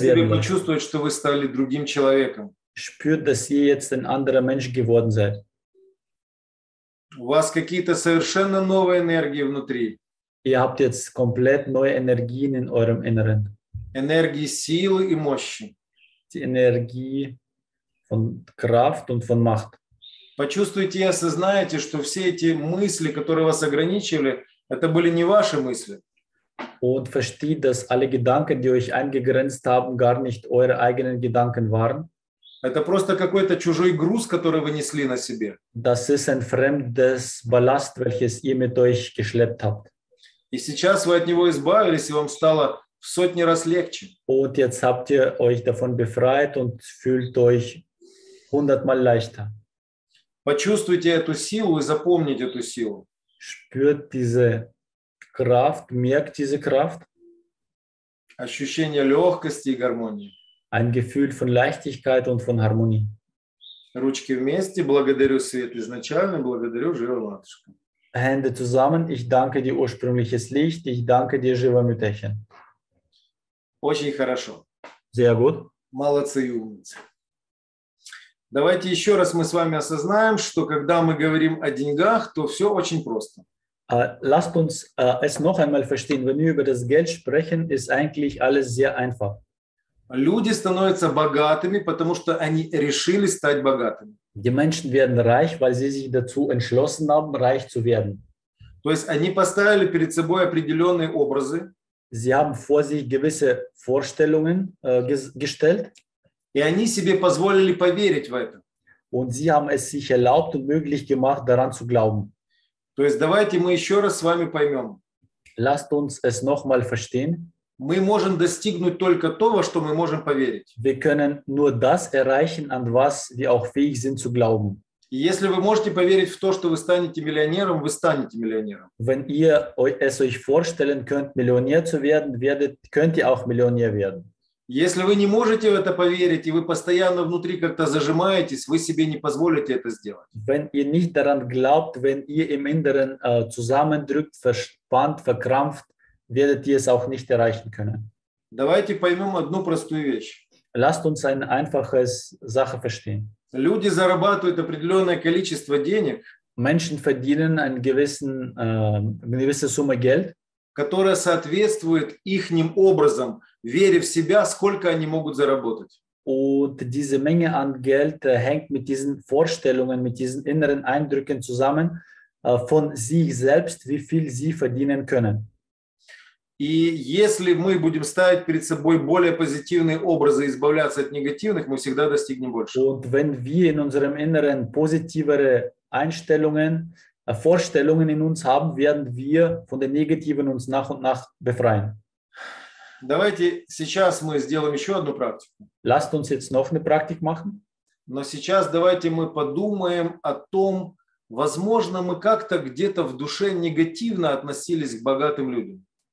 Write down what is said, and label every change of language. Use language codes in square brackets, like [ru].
[ru] Позвольте себе почувствовать, что вы стали другим человеком. [de] Spürt, dass ihr jetzt ein anderer Mensch geworden seid. [ru] У вас какие-то совершенно новые энергии внутри. [de] Ihr habt jetzt komplett neue Energien in eurem Inneren. [ru] Энергии силы и мощи. [de] Die Energie von Kraft und von Macht. [ru] Почувствуйте и осознайте, что все эти мысли, которые вас ограничивали, это были не ваши мысли. [de] Und versteht, dass alle Gedanken, die euch eingegrenzt haben, gar nicht eure eigenen Gedanken waren. [ru] Это просто какой-то чужой груз, который вы несли на себе. [de] Das ist ein fremdes Ballast, welches ihr mit euch geschleppt habt. [ru] И сейчас вы от него избавились, и вам стало в сотни раз легче. [de] Und jetzt habt ihr euch davon befreit und fühlt euch 100-mal leichter. [ru] Почувствуйте эту силу и запомните эту силу. [de] Spürt diese Kraft, merkt diese Kraft. [ru] Ощущение легкости и гармонии. [de] Ein Gefühl von Leichtigkeit und von Harmonie. [ru] Ручки вместе, благодарю свет изначально, благодарю живо матушка. [de] Hände zusammen, ich danke dir ursprüngliches Licht, ich danke dir живо мütterchen. [ru] Очень хорошо. [de] Sehr gut. [ru] Молодцы, умницы. Давайте еще раз мы с вами осознаем, что когда мы говорим о деньгах, то все очень просто. [de] Lasst uns es noch einmal verstehen. Wenn wir über das Geld sprechen, ist eigentlich alles sehr einfach. [ru] Люди становятся богатыми, потому что они решили стать богатыми. [de] Die Menschen werden reich, weil sie sich dazu entschlossen haben, reich zu werden. [ru] То есть они поставили перед собой определенные образы. [de] Sie haben vor sich gewisse Vorstellungen gestellt. [ru] И они себе позволили поверить в это. [de] Und sie haben es sich erlaubt und möglich gemacht, daran zu glauben. [ru] То есть давайте мы еще раз с вами поймем. [de] Lasst uns es noch mal verstehen. [ru] Мы можем достигнуть только то, во что мы можем поверить. [de] Wir können nur das erreichen, an was wir auch fähig sind zu glauben. [ru] И если вы можете поверить в то, что вы станете миллионером, вы станете миллионером. [de] Wenn ihr es euch vorstellen könnt, Millionär zu werden, könnt ihr auch Millionär werden. [ru] Если вы не можете в это поверить, и вы постоянно внутри как-то зажимаетесь, вы себе не позволите это сделать. [de] Wenn ihr nicht daran glaubt, wenn ihr im Inneren zusammendrückt, verspannt, verkrampft, werdet ihr es auch nicht erreichen können. [ru] Давайте поймем одну простую вещь. [de] Lasst uns eine einfache Sache verstehen. [ru] Люди зарабатывают определенное количество денег. [de] Menschen verdienen eine gewisse Summe Geld. [ru] Которая соответствует ихним образом, веря в себя, сколько они могут заработать. [de] Und diese Menge an Geld hängt mit diesen Vorstellungen, mit diesen inneren Eindrücken zusammen von sich selbst, wie viel sie verdienen können. [ru] И если мы будем ставить перед собой более позитивные образы и избавляться от негативных, мы всегда достигнем больше. [de] Und wenn wir in unserem Inneren positivere Einstellungen, Vorstellungen in uns haben, werden wir von den Negativen uns nach und nach befreien. [ru] Давайте сейчас мы сделаем еще одну практику. [de] Lasst uns jetzt noch eine Praktik machen. [ru] Но сейчас давайте мы подумаем о том, возможно, мы как-то где-то в душе негативно относились к богатым людям.